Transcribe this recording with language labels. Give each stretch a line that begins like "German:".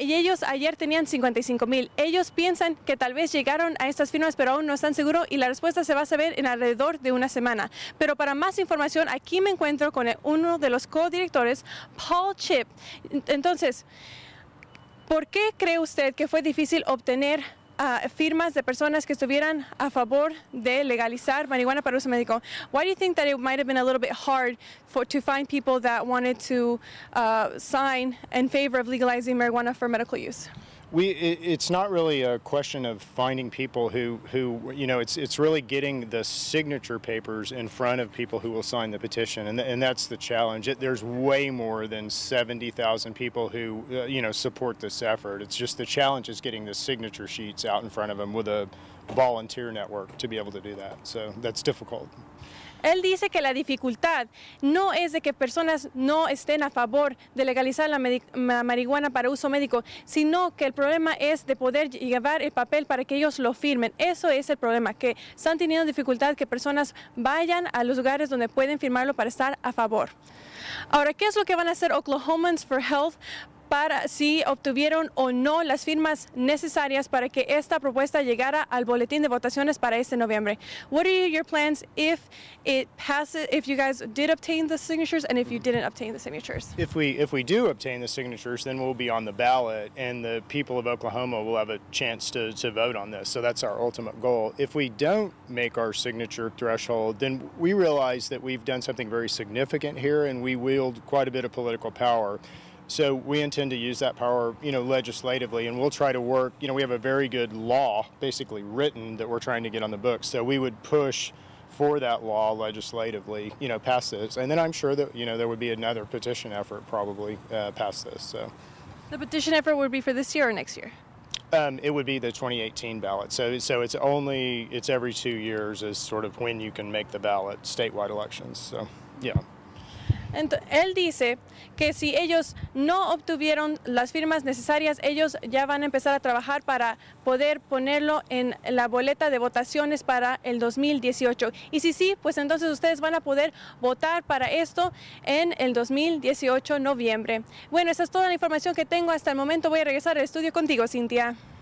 Spanish: Y ellos ayer tenían 55 mil. Ellos piensan que tal vez llegaron a estas firmas, pero aún no están seguros y la respuesta se va a saber en alrededor de una semana. Pero para más información, aquí me encuentro con uno de los codirectores, Paul Chip. Entonces, ¿por qué cree usted que fue difícil obtener firmas de personas que estuvieran a favor de legalizar marihuana para uso médico?
English: Why do you think that it might have been a little bit hard to find people that wanted to sign in favor of legalizing marijuana for medical use? It's not really a question of finding people who you know, it's really getting the signature papers in front of people who will sign the petition, and that's the challenge. There's way more than 70,000 people who, you know, support this effort. It's just the challenge is getting the signature sheets out in front of them with a volunteer network to be able to do that. So that's difficult.
Spanish: Él dice que la dificultad no es de que personas no estén a favor de legalizar la marihuana para uso médico, sino que el problema es de poder llevar el papel para que ellos lo firmen. Eso es el problema, que están teniendo dificultad que personas vayan a los lugares donde pueden firmarlo para estar a favor. Ahora, ¿qué es lo que van a hacer Oklahomans for Health para si obtuvieron o no las firmas necesarias para que esta propuesta llegara al boletín de votaciones para este noviembre?
English: What are your plans if it passes, if you guys did obtain the signatures and if you didn't obtain the signatures? If we do obtain the signatures, then we'll be on the ballot and the people of Oklahoma will have a chance to vote on this. So that's our ultimate goal. If we don't make our signature threshold, then we realize that we've done something very significant here and we wield quite a bit of political power. So we intend to use that power, you know, legislatively, and we'll try to work, you know, we have a very good law basically written that we're trying to get on the books. So we would push for that law legislatively, you know, pass this. And then I'm sure that, you know, there would be another petition effort probably pass this. So the petition effort would be for this year or next year? It would be the 2018 ballot. So it's only, it's every 2 years is sort of when you can make the ballot, statewide elections. So, yeah.
Spanish: Él dice que si ellos no obtuvieron las firmas necesarias, ellos ya van a empezar a trabajar para poder ponerlo en la boleta de votaciones para el 2018. Y si sí, pues entonces ustedes van a poder votar para esto en el 2018, noviembre. Bueno, esa es toda la información que tengo hasta el momento. Voy a regresar al estudio contigo, Cintia.